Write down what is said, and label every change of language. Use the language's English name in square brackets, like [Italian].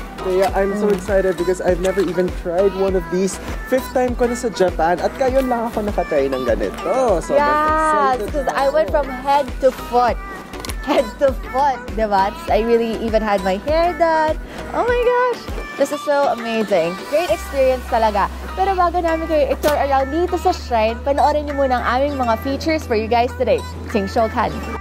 [English] Yeah, I'm so excited because I've never even tried one of these. Fifth time [Filipino] ko na sa Japan at ngayon lang ako nakatry ng ganito. [English] So yes, because I went from head to foot. Head to foot, diba? I really even had my hair done. Oh my gosh, this is so amazing. Great experience [Filipino] talaga. Pero bago namin kayo i-tour around dito sa shrine, panoorin niyo muna ang aming mga [English] features for you guys today. [Filipino] Ting show kan.